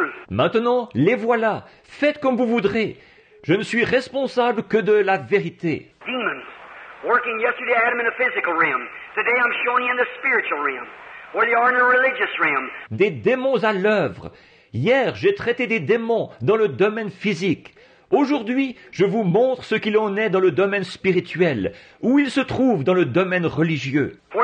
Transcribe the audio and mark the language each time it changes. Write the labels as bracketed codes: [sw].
[fr] Maintenant, les voilà. Faites comme vous voudrez. Je ne suis responsable que de la vérité. [en] Demons working yesterday Adam in the physical realm. Today I'm showing you in the spiritual realm, where they are in the religious realm. [fr] Des démons à l'œuvre. Hier, j'ai traité des démons dans le domaine physique. Aujourd'hui, je vous montre ce qu'il en est dans le domaine spirituel, où il se trouve dans le domaine religieux.